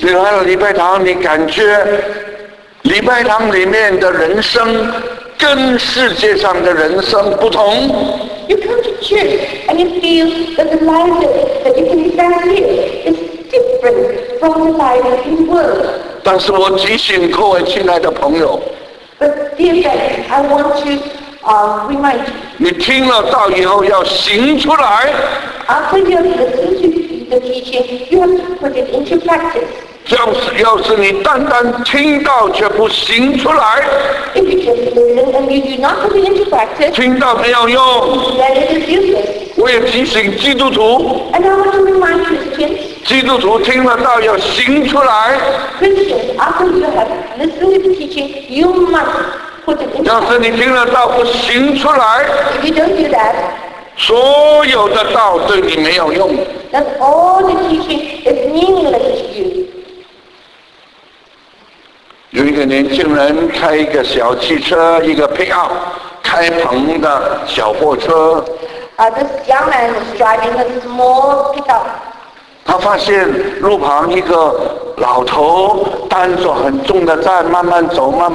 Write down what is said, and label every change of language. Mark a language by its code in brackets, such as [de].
[zh] 比如来到礼拜堂，你感觉礼拜堂里面的人生跟世界上的人生不同。 [en] You come to church and you feel that the life that you can stand here is different from the life in the world. [zh] 但是我提醒各位亲爱的朋友。 [en] But dear friends, I want to remind you. [zh] 你听了道以后要行出来。 [en] After you have listened to the teaching, you have to put it into practice. [zh] 要是你单单听到却不行出来, [en] if you just listen and you do not put it into practice, [zh] 听到没有用, [en] then it is useless. [zh] 我也提醒基督徒, [en] and I want to remind Christians, [zh] 基督徒听了道要行出来, [en] Christians, after you have listened to the teaching, you must put it into practice. [zh] 要是你听了道不行出来, [en] if you don't do that, [zh] 所有的道对你没有用。 [en] That all the teaching is meaningless to you. [zh] 有一个年轻人开一个小汽车，一个pickup， 开篷的小货车。 [en] This young man was driving a small pickup. [zh] 他发现路旁一个老头担着很重的担，慢慢走。